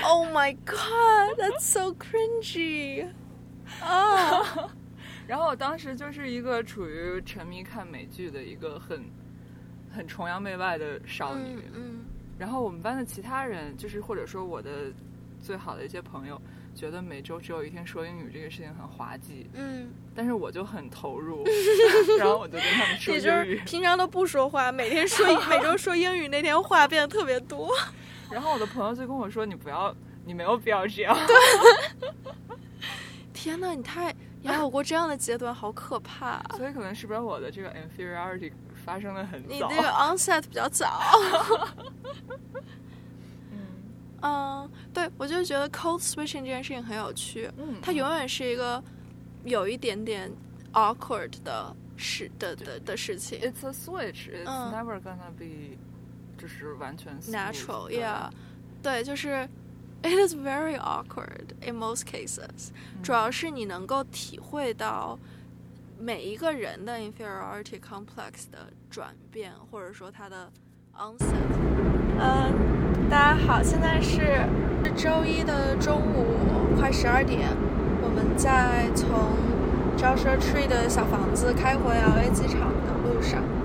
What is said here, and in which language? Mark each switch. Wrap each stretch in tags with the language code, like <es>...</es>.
<en>Oh my god, that's so cringy.</en> <zh>然后当时就是一个处于沉迷看美剧的一个很崇洋媚外的少女。然后我们班的其他人就是或者说我的最好的一些朋友觉得每周只有一天说英语这个事情很滑稽。但是我就很投入，然后我就跟他们说英语。也就是平常都不说话，每天说每周说英语那天话变得特别多。然后我的朋友就跟我说：“你不要，你没有必要这样。” 对。天哪，你太也有过这样的阶段，好可怕。所以可能是不是我的这个 inferiority 发生的很早？你那个 onset 比较早。对，我就觉得 code switching 这件事情很有趣。它永远是一个有一点点 awkward 的事情。</zh> <en>It's a switch. It's never gonna be</en> <zh>就是完全</zh> <en>natural. Yeah.</en> <zh>对，就是</zh> <en>it is very awkward in most cases.</en> <zh>主要是你能够体会到每一个人的 inferiority complex 的转变，或者说他的 onset。大家好，现在是周一的中午快十二点，我们在从 Joshua Tree 的小房子开回 LA 机场的路上。</zh>